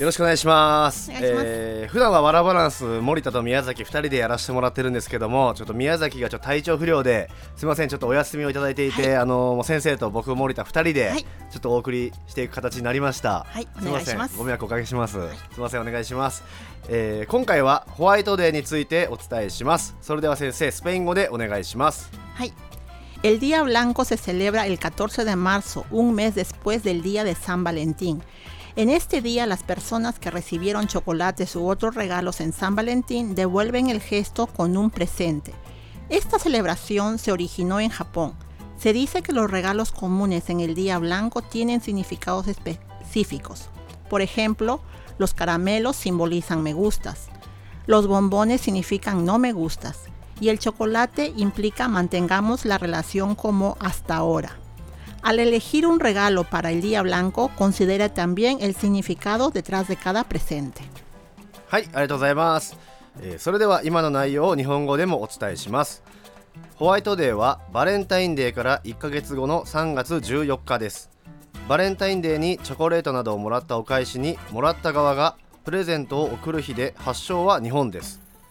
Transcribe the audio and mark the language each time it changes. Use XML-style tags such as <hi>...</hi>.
<ja>よろしくお願いします。普段はワラバランス森田と宮崎2人でやらせてもらってるんですけども、ちょっと宮崎がちょっと体調不良ですいません、ちょっとお休みをいただいていて、はい、先生と僕森田2人でちょっとお送りしていく形になりました。はい、お願いします。ご迷惑おかけします。すいません、お願いします。今回はホワイトデーについてお伝えします。それでは先生、スペイン語でお願いします。</ja> <es>はい、El Día Blanco se celebra el 14 de marzo, un mes después del Día de San Valentín. En este día, las personas que recibieron chocolates u otros regalos en San Valentín devuelven el gesto con un presente. Esta celebración se originó en Japón. Se dice que los regalos comunes en el Día Blanco tienen significados específicos. Por ejemplo, los caramelos simbolizan me gustas. Los bombones significan no me gustas. Y el chocolate implica mantengamos la relación como hasta ahora. Al elegir un regalo para el día blanco, considera también el significado detrás de cada presente.</es> <ja>はい、ありがとうございます。それでは今の内容を日本語でもお伝えします。ホワイトデーはバレンタインデーから1ヶ月後の3月14日です。バレンタインデーにチョコレートなどをもらったお返しに、もらった側がプレゼントを贈る日で、発祥は日本です。</ja>